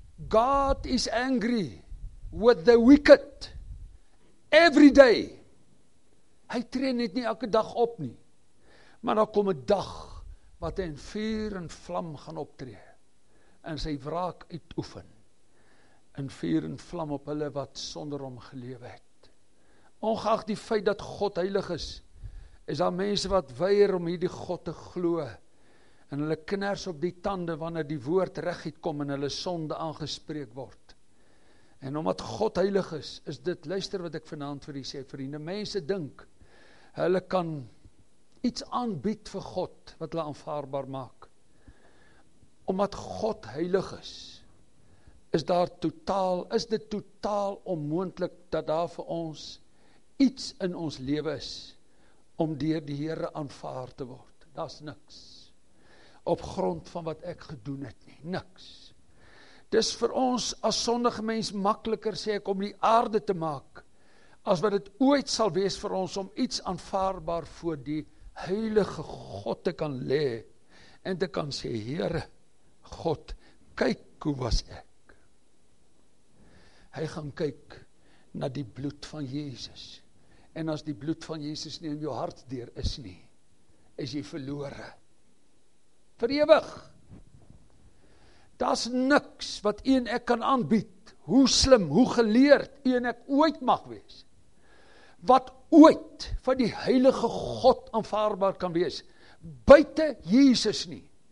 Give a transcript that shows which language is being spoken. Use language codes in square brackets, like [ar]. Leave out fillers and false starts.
[en] God is angry with the wicked every day. [af] Hy tree net nie elke dag op nie. Maar daar kom 'n dag wat hy in vuur en vlam gaan optree en sy wraak uitoefen. In vuur en vlam op hulle wat sonder hom gelewe het. Ongeag die feit dat God heilig is, is daar mense wat weier om hierdie God te glo. en hulle kinders op die tande, wanneer die woord reguit kom en hulle sonde aangespreek word. En omdat God heilig is, is dit, luister wat ek vanavond vir u sê, vriende, mense dink, hulle kan iets aanbied vir God, wat hulle aanvaarbaar maak. Omdat God heilig is, is daar totaal, is dit totaal onmoontlik, dat daar vir ons iets in ons lewe is, om deur die Here aanvaar te word. Da's niks. Op grond van wat ek gedoen het nie, niks. Dis vir ons as sondige mens makkeliker, sê ek, om die aarde te maak, as wat het ooit sal wees vir ons, om iets aanvaarbaar voor die heilige God te kan le, en te kan sê, Here, God, kyk hoe was ek. Hy gaan kyk na die bloed van Jezus, en as die bloed van Jezus nie in jou hart deur is nie, is jy verlore. Vir ewig. Daar's niks wat u en ek kan aanbied, hoe slim, hoe geleerd u en ek ooit mag wees, wat ooit van die heilige God aanvaarbaar kan wees, buiten Jezus nie.